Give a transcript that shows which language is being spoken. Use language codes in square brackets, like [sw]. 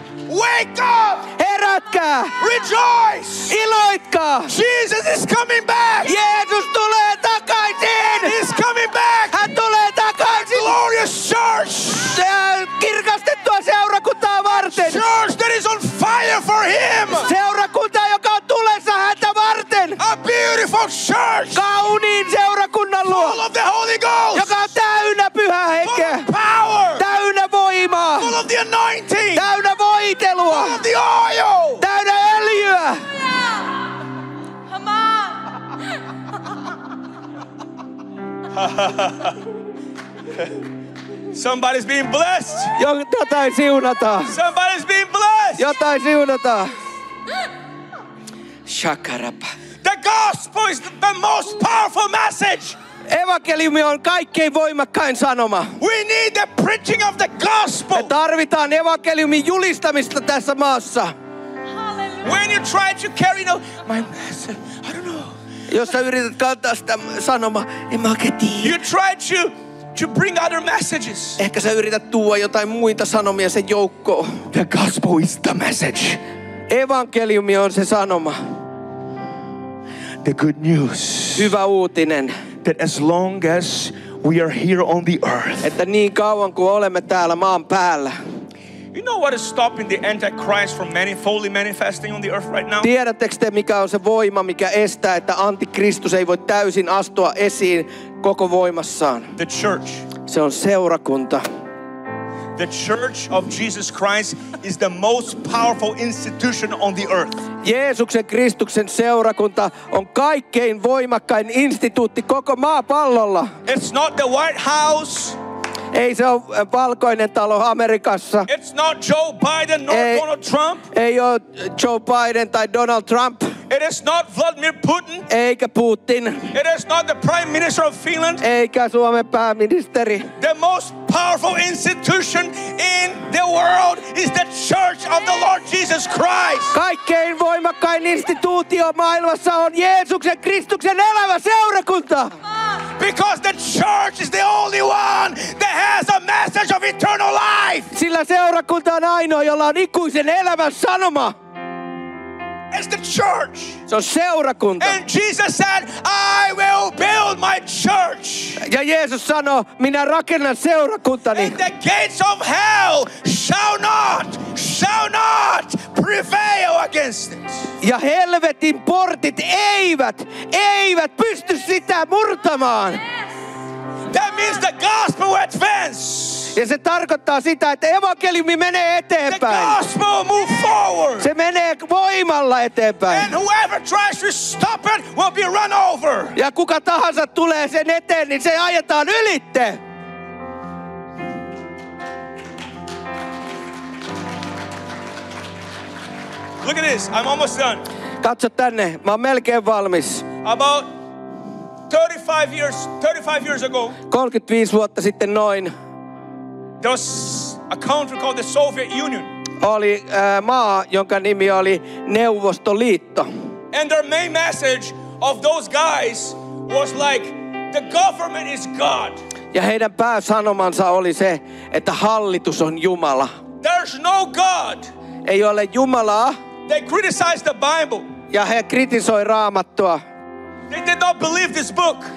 [en] Wake up! [fi] Herätkää! [en] Rejoice! [fi] Iloitkaa! [en] Jesus is coming back! [fi] Jeesus tulee takaisin! [en] He's coming back! [fi] Hän tulee takaisin! [en] A glorious church! [fi] Kirkastettua seurakuntaa varten! [en] Church that is on fire for him! [fi] Seurakunta, joka on tulessa häntä varten! [en] A beautiful church! [fi] Kauniin seurakunnan luo! [en] Full of the Holy Ghost! [fi] Joka on täynnä pyhää henkeä! [en] Full of power! [fi] Täynnä voimaa! [en] Full of the anointing! [fi] Täynnä voitelua! [en] Full of the oil! [fi] Täynnä öljyä! [en] Come on! Somebody's being blessed. [fi] Jotain siunata. [en] Somebody's being blessed. [fi] Jotain siunata. Shakarapa. [en] The gospel is the most powerful message. [fi] Evankeliumi on kaikkein voimakkain sanoma. [en] We need the preaching of the gospel. [fi] Me tarvitaan evankeliumin julistamista tässä maassa. [en] Hallelujah. When you try to carry no my message, I don't know. [fi] Jos sä yrität kantaa sitä sanoma, en mä oikein tiedä. [en] You try to bring other messages. [fi] Ehkä sä yrität tuoda jotain muita sanomia sen joukkoon. [en] The gospel is the message. [fi] Evankeliumi on se sanoma. [en] The good news. [fi] Hyvä uutinen. [en] That as long as we are here on the earth. [fi] Että niin kauan kuin olemme täällä maan päällä. [en] You know what is stopping the Antichrist from fully manifesting on the earth right now? [fi] Tiedättekö te, mikä on se voima, mikä estää, että antikristus ei voi täysin astua esiin koko voimassaan? [en] The church. [fi] Se on seurakunta. [en] The church of Jesus Christ is the most powerful institution on the earth. [fi] Jeesuksen Kristuksen seurakunta on kaikkein voimakkain instituutti koko maapallolla. [en] It's not the White House. [fi] Ei se ole Valkoinen talo Amerikassa. [en] It's not Joe Biden nor Donald Trump. [fi] Ei ole Joe Biden tai Donald Trump. [en] It is not Vladimir Putin. [fi] Eikä Putin. [en] It is not the Prime Minister of Finland. [fi] Eikä Suomen pääministeri. [en] The most powerful institution in the world is the Church of the Lord Jesus Christ. [fi] Kaikkein voimakkain instituutio maailmassa on Jeesuksen Kristuksen elävä seurakunta. [en] Because the church is the only one that has a message of eternal life. [fi] Sillä seurakunta on ainoa, jolla on ikuisen elämän sanoma. [en] It's the church. [fi] Se on seurakunta. [en] And Jesus said, I will build my church. [fi] Ja Jeesus sanoi, minä rakennan seurakuntani. [en] And the gates of hell shall not prevail against it. [fi] Ja helvetin portit eivät pysty sitä murtamaan. [en] Yes. That means the gospel will advance. [fi] Ja se tarkoittaa sitä, että evankeliumi menee eteenpäin. [en] The gospel move forward. [fi] Se menee voimalla eteenpäin. [en] And whoever tries to stop it will be run over. [fi] Ja kuka tahansa tulee sen eteen, niin se ajetaan ylitte. [en] Look at this. I'm almost done. [fi] Katso tänne. Mä oon melkein valmis. [en] About 35 years ago. [fi] 35 vuotta sitten noin. [en] There was a country called the Soviet Union. [fi] Oli maa, jonka nimi oli Neuvostoliitto. [en] And their main message of those guys was like, the government is God. [fi] Ja heidän pääsanomansa oli se, että hallitus on Jumala. [en] There's no God. [fi] Ei ole Jumalaa. [en] They criticized the Bible. [fi] Ja he kritisoi Raamattua. [en] They did not believe this book.